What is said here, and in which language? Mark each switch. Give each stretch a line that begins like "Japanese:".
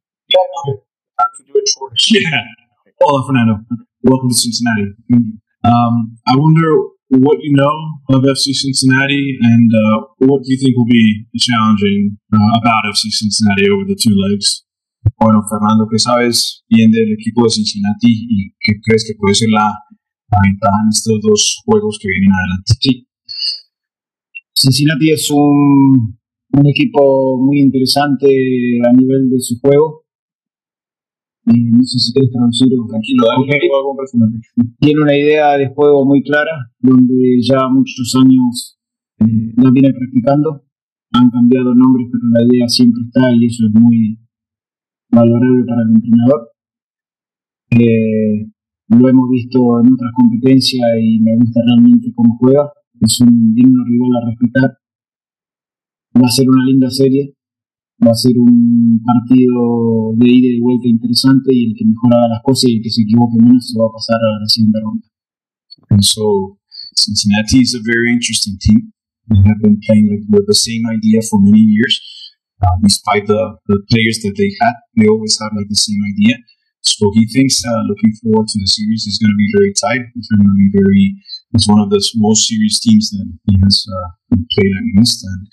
English: Yeah, to do it short. Yeah. Hola, Fernando. Welcome to Cincinnati. I wonder what you know of FC Cincinnati, and what do you think will be challenging about FC Cincinnati over the two legs?
Spanish: Bueno, Fernando, ¿qué sabes bien del equipo de Cincinnati y qué crees que puede ser la ventaja en estos dos juegos que vienen adelante? Sí. Cincinnati es un equipo muy interesante a nivel de su juego. No sé si quieres traducirlo. Tranquilo, dale. Okay. Tiene una idea de juego muy clara, donde ya muchos años lo viene practicando. Han cambiado nombres, pero la idea siempre está y eso es muy valorable para el entrenador. Lo hemos visto en otras competencias y me gusta realmente cómo juega. Es un digno rival a respetar. Va a ser una linda serie. Va a ser un partido de ida y vuelta interesante y el que mejor haga las cosas y el que se equivoque menos se va a pasar a la siguiente ronda.
English: And so, Cincinnati is a very interesting team. They have been playing like with the same idea for many years. Despite the players that they had, they always have like the same idea. So he thinks looking forward to the series is going to be very tight. It's one of the most serious teams that he has played against.